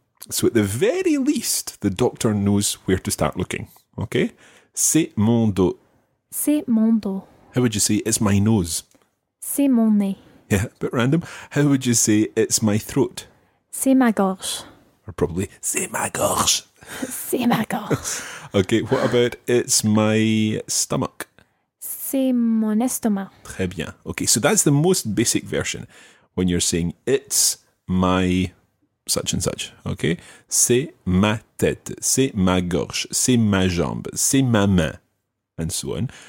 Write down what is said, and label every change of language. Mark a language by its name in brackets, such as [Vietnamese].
[English] So, at the very least, the doctor knows where to start looking. [French] Okay? C'est mon dos. C'est mon dos. [English] How would you say, it's my nose? [French] C'est mon nez. [English] Yeah, a bit random. How would you say, it's my throat? [French] C'est ma gorge. [English] Or probably, [French] c'est ma gorge. C'est ma gorge. [English] Okay, what about, it's my stomach? [French] C'est mon estomac. Très bien. [English] Okay, so that's the most basic version when you're saying, it's my such and such. [French] Okay? C'est ma tête. C'est ma gorge. C'est ma jambe. C'est ma main. And so on.